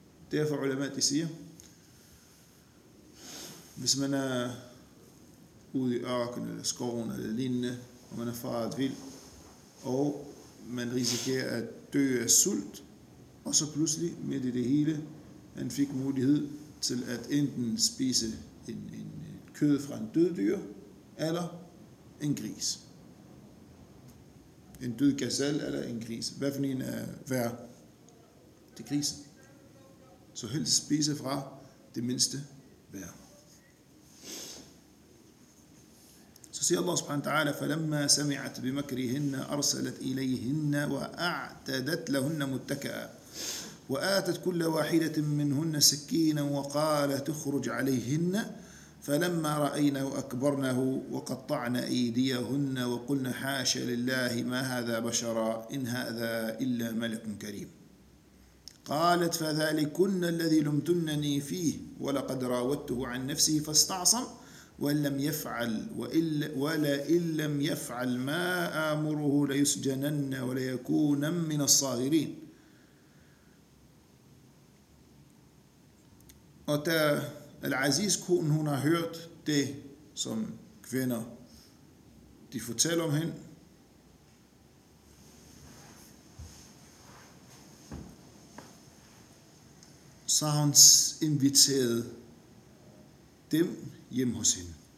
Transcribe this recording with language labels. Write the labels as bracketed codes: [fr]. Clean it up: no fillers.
[da] Derfor ulemaer, de siger, hvis man er ude i ørkenen eller skoven eller lignende, og man er faret vild, og man risikerer at dø af sult, og så pludselig, midt i det hele, han fik mulighed til at enten spise en kød fra en død dyr, eller en gris. En død gazelle eller en gris. Hvad for en er værd? Det er grisen. Så helst spise fra det mindste værd. Så siger [ar] Allah subhanahu wa ta'ala, فَلَمَّا سَمِعَتْ بِمَكْرِهِنَّ أَرْسَلَتْ إِلَيْهِنَّ وَأَعْتَدَتْ لَهُنَّ مُتَّكَأً وآتت كل واحدة منهن سكينا وقالت اخرج عليهن فلما رأينه أكبرنه وقطعن أيديهن وقلن حاش لله ما هذا بشرا إن هذا إلا ملك كريم قالت فذلكن الذي لمتنني فيه ولقد راودته عن نفسه فاستعصم وإن لم يفعل ما آمره ليسجنن وليكون من الصاغرين. [da] Og da Al-Aziz-konen, hun har hørt det, som kvinder de fortæller om hende, så har hun inviteret dem hjem hos hende.